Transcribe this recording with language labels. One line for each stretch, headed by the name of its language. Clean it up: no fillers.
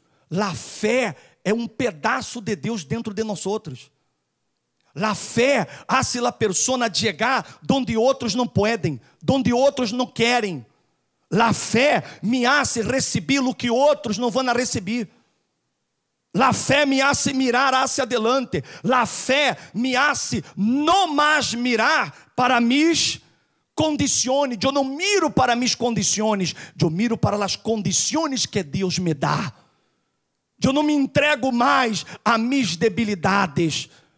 Portuguese: A fé é um pedaço de Deus dentro de nós outros. A fé
Spanish: hace
Portuguese: a pessoa chegar onde outros não podem, onde outros não querem. A fé me
Spanish: hace
Portuguese: receber o que outros não vão receber.
Spanish: La fé me hace mirar hacia adelante. La fé me hace
Portuguese: não mais
Spanish: mirar para mis condições.
Portuguese: Eu não
Spanish: miro para mis
Portuguese: condições. Eu
Spanish: miro
Portuguese: para as condições que Deus me dá. Eu não me entrego mais a
Spanish: mis debilidades.